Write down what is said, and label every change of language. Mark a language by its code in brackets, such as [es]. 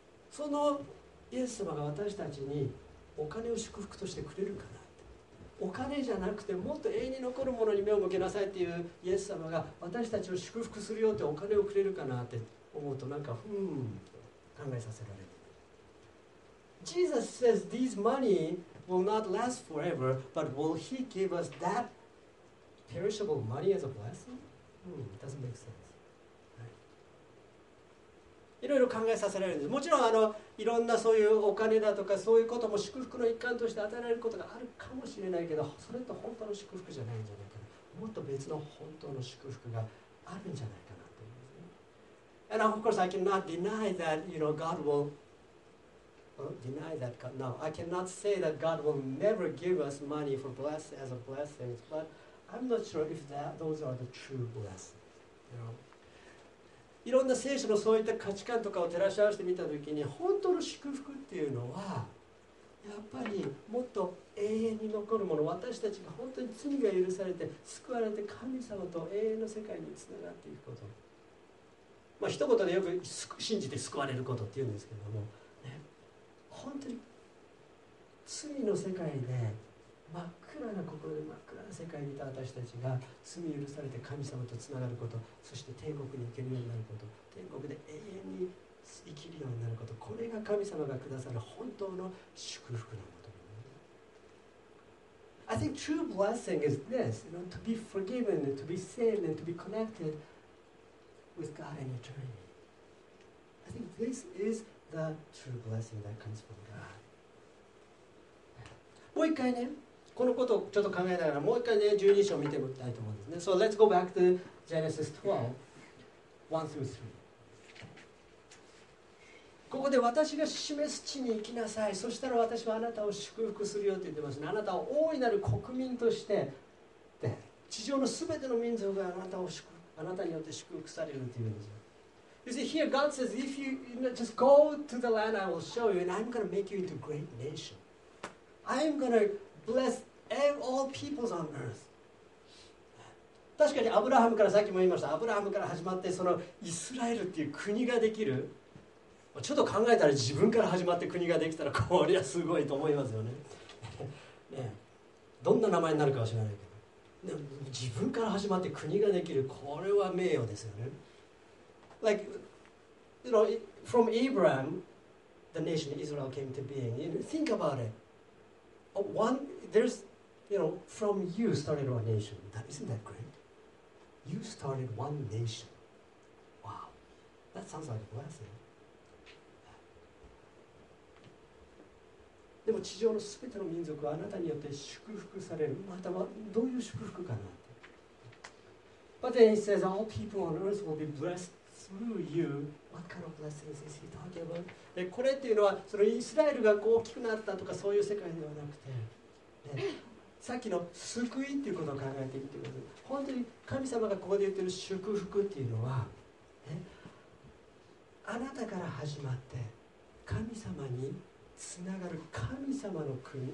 [ja] そのイエス様が私たちにお金を祝福としてくれるかな。お金じゃなくてもっと永遠に残るものに目を向けなさいっていうイエス様が私たちを祝福するよってお金をくれるかなって思うとなんかふーんと考えさせられる。 [en] Jesus says these money will not last forever but will he give us that perishable money as a blessing? It doesn't make sense. [ja] いろいろ考えさせられるんです。もちろんいろんなそういうお金だとかそういうことも祝福の一環として与えられることがあるかもしれないけど、それって本当の祝福じゃないんじゃないかな。もっと別の本当の祝福があるんじゃないかなと思いますね。 [en] And of course, I cannot deny that, you know, God will... I cannot say that God will never give us money for blessing as a blessing, but I'm not sure if those are the true blessings, you know. [ja] いろんな聖書のそういった価値観とかを照らし合わせてみたときに、本当の祝福っていうのはやっぱりもっと永遠に残るもの、私たちが本当に罪が許されて救われて神様と永遠の世界につながっていくこと、まあ一言でよく信じて救われることっていうんですけども、ね、本当に罪の世界で真っ暗な心で真っ暗な世界にいた私たちが罪許されて神様とつながること、そして天国に行けるようになること、天国で永遠に生きるようになること、これが神様がくださる本当の祝福のこと。 [en] I think true blessing is this, you know, to be forgiven, to be saved, and to be connected with God in eternity. I think this is the true blessing that comes from God. [ja] もう一回ね、このことをちょっと考えながらもう一回ね、12章を見てみたいと思うんですね。 [en] So let's go back to Genesis 12, 1 through 3. [ja] ここで私が示す地に行きなさい、そしたら私はあなたを祝福するよと言ってますね。あなたを大いなる国民として、地上のすべての民族があなたを祝福、あなたによって祝福されるというんですよ。 [en] You see, here God says, if you, you know, just go to the land, I will show you, and I'm going to make you into a great nation. I'm going to bless all peoples on earth. [ja] 確かにアブラハムから、さっきも言いました、アブラハムから始まって、そのイスラエルっていう国ができる。ちょっと考えたら自分から始まって国ができたら、これはすごいと思いますよね。ね、どんな名前になるかは知らないけど。自分から始まって国ができる、これは名誉ですよね。 [en] Like, you know, from Abraham, the nation Israel came to being. You know, think about it. One, there's, you know, from you started one nation. Isn't that great? You started one nation. Wow. That sounds like a blessing. [ja] でも地上のすべての民族はあなたによって祝福される。またはどういう祝福かなって。 [en] But then he says, all people on earth will be blessed through you. What kind of blessings is he talking about? [ja] これっていうのは、そのイスラエルが大きくなったとかそういう世界ではなくて、さっきの救いっていうことを考えてみてください。本当に神様がここで言ってる祝福っていうのは、あなたから始まって神様に、つながる神様の国。